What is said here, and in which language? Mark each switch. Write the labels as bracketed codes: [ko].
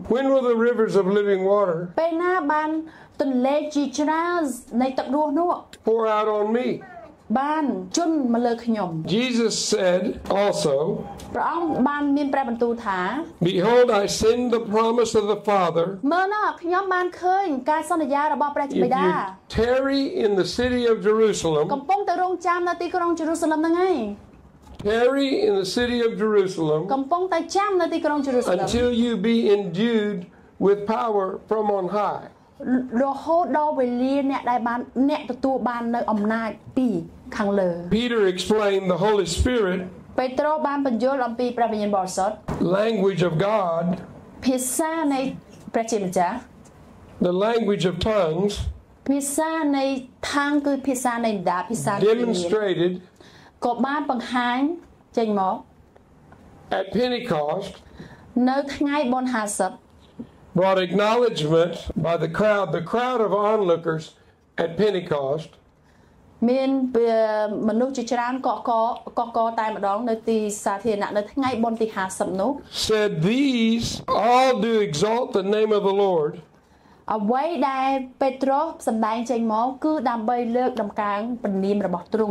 [en] When will the rivers of living water [km] ពេលណាបានទន្លេជីច្រើននៃទឹករស់នោះ [en] Pour out on me [km] បានជន់មកលើខ្ញុំ [en] Jesus said also [km] ព្រះអង្គបានមានព្រះបន្ទូលថា [en] Behold I send the promise of the Father [km] មើលណាខ្ញុំបានឃើញការសន្យារបស់ព្រះជាបិតា [en] Tarry in the city of Jerusalem [km] កំពុងតែរង់ចាំនៅទីក្រុងយេរូសាឡិមហ្នឹងឯង [en] Tarry in the city of Jerusalem. [km] កំពុងតែចាំនៅទីក្រុងយេរូសាឡិម [en] Until you be endued with power from on high. [km] រហូតដល់វេលាអ្នកដែលបានអ្នកទទួលបាននៅអំណាចពីខាងលើ [en] Peter explained the Holy Spirit. [km] ពេត្រូបានបញ្យល់អំពីព្រះវិញ្ញាណបរិសុទ្ធ [en] Language of God. [km] ភាសានៃព្រះជាម្ចាស់ [en] The language of tongues. [km] ភាសានៃថាងគឺភាសានៃដាភាសា [en] Demonstrated. [km] ក៏បានបង្ហាញចេញមក [en] At Pentecost [km] នៅថ្ងៃបុណ្យ50 [en] Brought acknowledgement by the crowd of onlookers at Pentecost [km] មានមនុស្សជាច្រើនកកតែម្ដងនៅទីសាធារណៈនៅថ្ងៃបុណ្យទី50នោះ [en] Said these all do exalt the name of the Lord [km] អ្វីដែលពេត្រុសសម្ដែងចេញមកគឺដើម្បីលើកតម្កើងព្រះនាមរបស់ទ្រង